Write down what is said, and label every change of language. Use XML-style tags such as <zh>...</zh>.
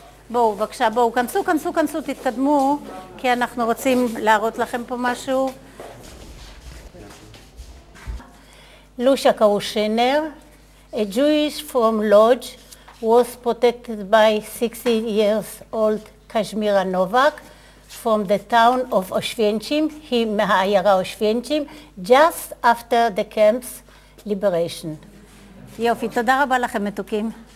<he>בואו, בבקשה, בואו, כנסו, כנסו, כנסו, תתקדמו, כי אנחנו רוצים להראות לכם פה משהו.</he> <en>לושה קאושנר, a Jewish from Lodz, was protected by 60 years old Kashmira Novak from the town of Oświęcim,</en> <he>היא מהעיירה</he> <en>Oświęcim, just after the camp's liberation.</en> <he>יופי, תודה רבה לכם, מתוקים.</he>